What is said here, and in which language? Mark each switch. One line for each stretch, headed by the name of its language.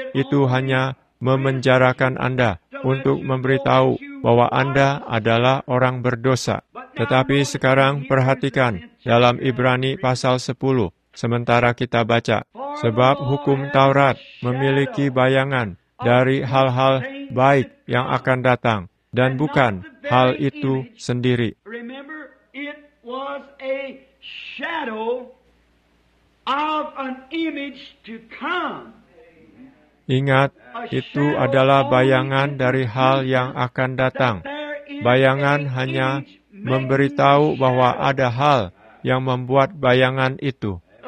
Indonesian: Itu hanya memenjarakan Anda untuk memberitahu bahwa Anda adalah orang berdosa. Tetapi sekarang perhatikan dalam Ibrani pasal 10, sementara kita baca, sebab hukum Taurat memiliki bayangan dari hal-hal baik yang akan datang, dan bukan hal itu sendiri.
English: Remember, it was a shadow of an image to come.
Indonesian: Ingat, itu adalah bayangan dari hal yang akan datang. Bayangan hanya memberitahu bahwa ada hal yang membuat bayangan itu.